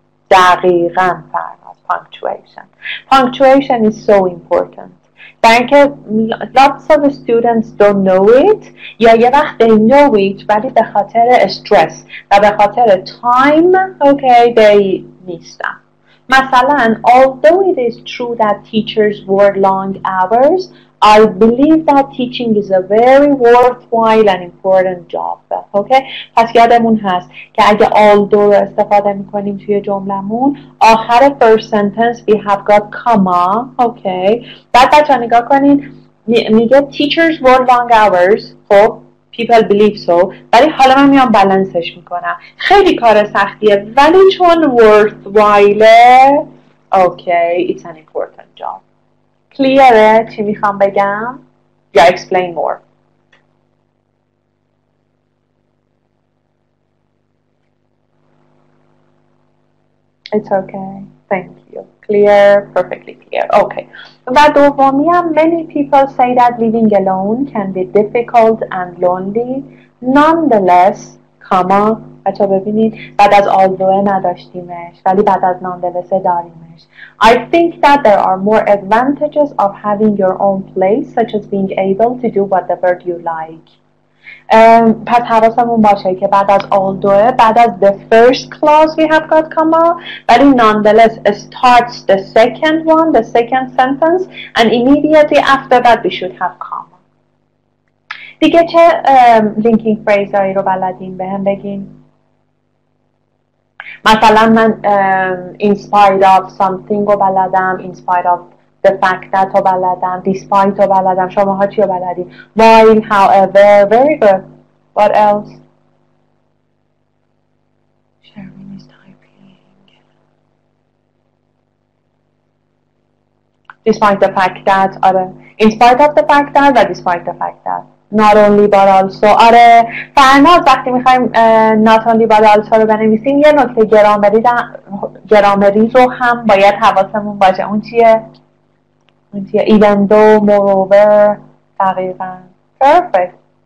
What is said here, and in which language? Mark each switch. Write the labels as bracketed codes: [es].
[fa] دقیقاً [en] فرناز، punctuation. Punctuation is so important. Thank you. Lots of students don't know it. [fa] یا یه وقت [en] they know it [fa] ولی به خاطر استرس و به خاطر [en] time okay they [fa] نیستن. مثلا [en] although it is true that teachers work long hours, I believe that teaching is a very worthwhile and important job. [fa] Okay? پس یادمون هست که اگه although رو استفاده میکنیم توی جملمون آخر [en] first sentence we have got comma. [fa] Okay? بعد بچه ها نگاه کنین میگه [en] teachers work long hours. خب people believe so. [fa] ولی حالا من میام بالانسش میکنم. خیلی کار سختیه ولی چون worthwhile. [en] Okay, it's an important job. [fa] کلیره چی میخوام بگم؟ یا [en] explain more. It's okay. Thank you. Clear. Perfectly clear. Okay. [fa] و دومی هم [en] many people say that living alone can be difficult and lonely. Nonetheless, comma. [fa] بچه ببینید بعد از although نداشتیمش ولی بعد از nonetheless داریم. [en] I think that there are more advantages of having your own place, such as being able to do whatever you like. [fa] پس حواسمون باشه که بعد از [en] although, بعد از the first clause we have got comma, [fa] ولی [en] nonetheless starts the second one, the second sentence, and immediately after that we should have comma. [fa] دیگه چه linking phrase هایی رو بلدین به هم بگین؟ مثلا من in spite of something رو بلدم، in spite of the fact that رو بلدم، despite رو بلدم، شما ها چی رو بلدیم؟ [en] While, however, very good. What else? Sherwin is typing. Despite the fact that, [fa] آره. [en] In spite of the fact that و despite the fact that. Not only but also. [fa] آره فرناز وقتی میخواییم not only but also رو بنویسیم یه نکته گرامری رو هم باید حواسمون باشه. اون چیه؟ [en] Even though, moreover, tarifan. Perfect.